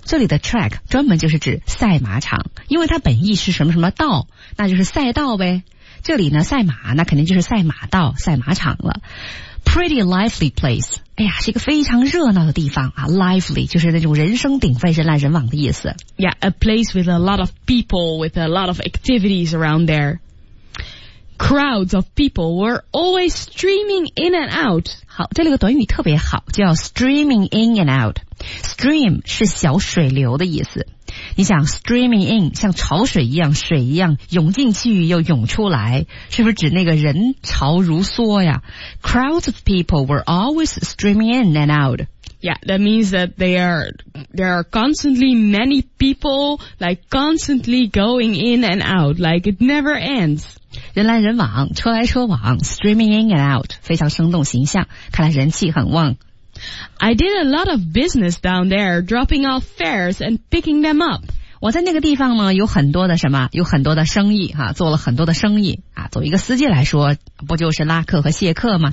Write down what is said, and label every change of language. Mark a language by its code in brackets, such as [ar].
[zh] 这里的 track 专门就是指赛马场，因为它本意是什么什么道，那就是赛道呗。这里呢赛马，那肯定就是赛马道、赛马场了。 [en] Pretty lively place. [zh] 哎呀，是一个非常热闹的地方啊。 Lively 就是那种人声鼎沸、人来人往的意思。 [en] Yeah, a place with a lot of people, with a lot of activities around there. Crowds of people were always streaming in and out. [zh] 好，这里个短语特别好，叫 [en] streaming in and out. [zh] Stream 是小水流的意思。你想 [en] streaming in [zh] 像潮水一样，水一样涌进去又涌出来，是不是指那个人潮如梭呀？ [en] Crowds of people were always streaming in and out. Yeah, that means that there are constantly many people like constantly going in and out like it never ends. [zh] 人来人往，车来车往， [en] streaming in and out， [zh] 非常生动形象，看来人气很旺。 [en] I did a lot of business down there, dropping off fares and picking them up. [zh] 我在那个地方呢，有很多的什么，有很多的生意哈、啊，做了很多的生意啊。作为一个司机来说，不就是拉客和卸客吗？